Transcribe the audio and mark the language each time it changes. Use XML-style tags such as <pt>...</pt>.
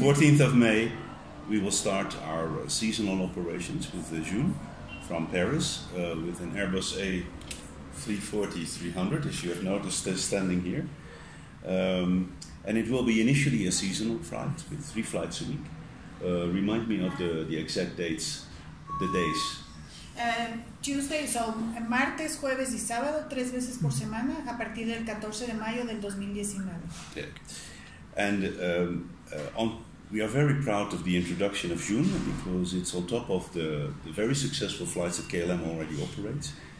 <en>14th of May, we will start our seasonal operations with the June from Paris with an Airbus A340-300, as you have noticed, standing here. And it will be initially a seasonal flight with three flights a week. Remind me of the exact dates, the days.</en> <es>Tuesdays son martes, jueves y sábado, 3 veces por semana a partir del 14 de mayo del 2019.</es> <en>We are very proud of the introduction of June because it's on top of the very successful flights that KLM already operates.</en>